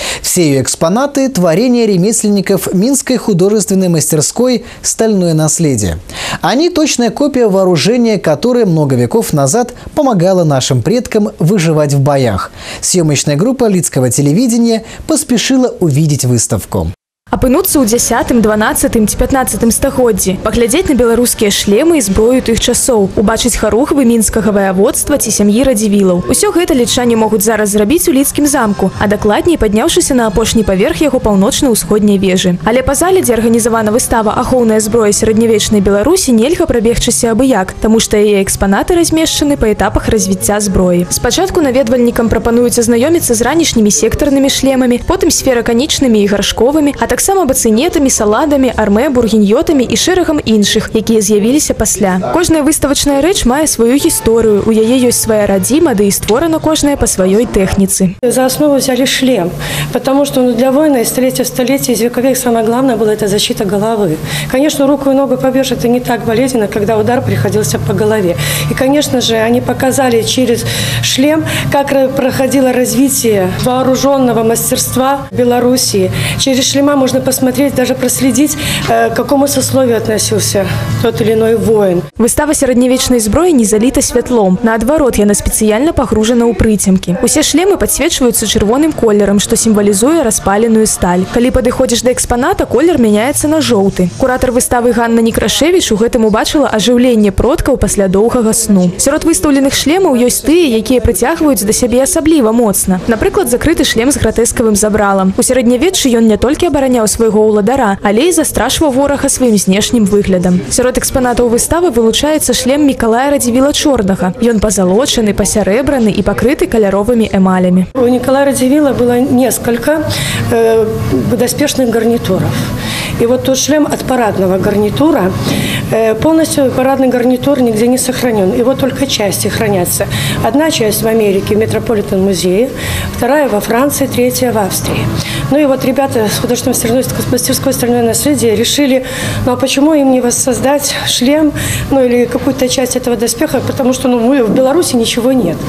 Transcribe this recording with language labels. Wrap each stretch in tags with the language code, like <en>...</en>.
<ru>Все ее экспонаты – творения ремесленников Минской художественной мастерской «Стальное наследие». Они – точная копия вооружения, которое много веков назад помогало нашим предкам выживать в боях. Съемочная группа Лидского телевидения поспешила увидеть выставку.</ru> <be>Апынуцца ў 10, 12, 15 стагоддзі, паглядзець на беларускія шлемы і зброю тых часоў, убачыць харугвы мінскага ваяводства ці сям'і Радзівілаў. Усё гэта лічане могуць зараз зрабіць у Лідскім замку, а дакладней падняўшыся на апошні паверх яго паўночна-ўсходняй вежы. Але па зале, дзе арганізавана выстава «Ахоўная зброя сярэднявечнай Беларусі», нельга прабегчыся абыяк, таму што яе экспанаты размешчаны па этапах развіцця зброі. Спачатку наведвальнікам прапануюць азнаёміцца з ранішнімі сектарнымі шлемамі, потым сфераканічнымі і гаршковымі, а таксама бацынетамі, саладамі, арме, бургіньётамі і шэрагам іншых, якія з'явіліся пасля. Кожная выставачная рэч мае сваю гісторыю, у яе ёсць свая радзіма, ды і створана кожная па сваёй тэхніцы.</be> <ru>За аснову взялі шлем, потому што для войны з 3-го стагоддзя, з векавых, самае главное было это защита головы. Конечно, руку и ногу побежать это не так болезненно, когда удар приходился по голове. И, конечно же, они показали через шлем, как проходило развитие вооруженного мастерства Белоруссии. Через шлема можно посмотреть, даже проследить, к какому сословию относился тот или иной воин.</ru> <be>Выстава сярэднявечнай зброі не заліта святлом. Наадварот, яна спецыяльна пагружана ў прыцемкі. Усе шлемы падсвечваюцца чырвоным колерам, што сімвалізуе распаленую сталь. Калі падыходзіш да экспаната, колер мяняецца на жоўты. Куратар выставы Ганна Некрашэвіч у гэтым убачыла ажыўленне продкаў пасля доўгага сну. Сярод выстаўленых шлемаў ёсць тыя, якія прыцягваюць да сябе асабліва моцна. Напрыклад, закрыты шлем з гратэскавым забралам. У сярэднявеччы ён не толькі абараняў свайго ўладара, але і застрашваў ворага сваім знешнім выглядам. Сярод экспанатаў выставы вылучаецца шлем Мікалая Радзівіла Чорнага. Ён пазалочаны, пасярэбраны і пакрыты каляровымі эмалямі.</be> <ru>У Мікалая Радзівіла было несколько доспешных гарнітураў. И вот тот шлем от парадного гарнитура, полностью парадный гарнитур нигде не сохранен. Его только части хранятся. Одна часть в Америке, в Метрополитен-музее, вторая во Франции, третья в Австрии. Ну и вот ребята с художественной мастерской стальной наследия решили, ну а почему им не воссоздать шлем, ну или какую-то часть этого доспеха, потому что ну, в Беларуси ничего нет.</ru>